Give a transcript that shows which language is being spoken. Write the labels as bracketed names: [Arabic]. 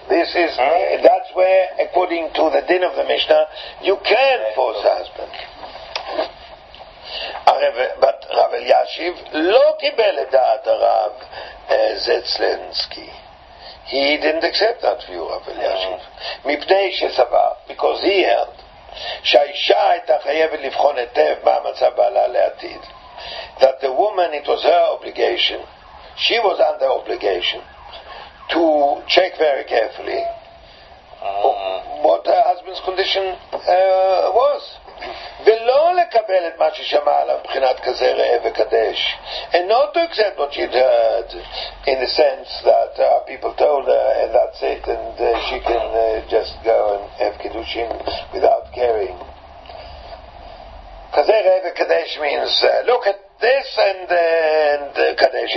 [English] This is that's where, according to the din of the Mishnah, you can force a husband. [Hebrew] But Rav Eliashiv lo kibel edat Rav Zetzlensky. [English] He didn't accept that view, Rav Eliashiv. [Hebrew] Mipnei shesavar, [English] because he held [Hebrew] שהאישה הייתה חייבת לבחון היטב מה המצב בעלה לעתיד. [English] That the woman, it was her obligation, she was under obligation to check very carefully what her husband's condition was. [Hebrew] ולא לקבל את מה ששמע עליו מבחינת כזה ראה וקדש. [English] And not to accept what she'd heard in the sense that people told her and that's it and she can just go and have kiddushin without caring. [Hebrew] כזה ראה וקדש [English] means look at this and kadesh.